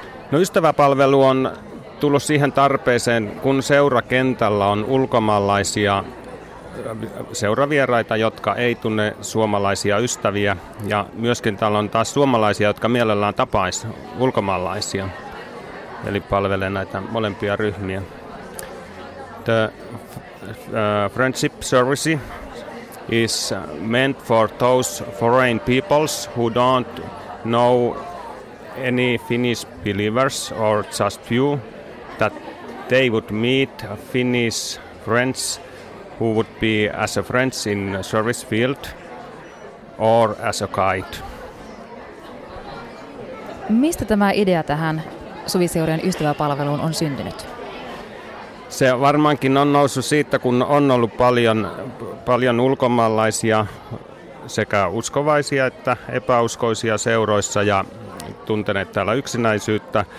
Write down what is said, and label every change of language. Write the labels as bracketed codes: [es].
[fi] No, ystäväpalvelu on tullut siihen tarpeeseen, kun seurakentällä on ulkomaalaisia seuravieraita, jotka ei tunne suomalaisia ystäviä. Ja myöskin täällä on taas suomalaisia, jotka mielellään tapaisi ulkomaalaisia. Eli palvelee näitä molempia ryhmiä. [en] The friendship service is meant for those foreign peoples who don't know any Finnish believers or just few, that they would meet Finnish friends who would be as a friends in service field or as a guide. [fi] Mistä tämä idea tähän Suviseurien ystäväpalveluun on syntynyt? Se varmaankin on noussut siitä, kun on ollut paljon ulkomaalaisia sekä uskovaisia että epäuskoisia seuroissa ja tunteneet täällä yksinäisyyttä.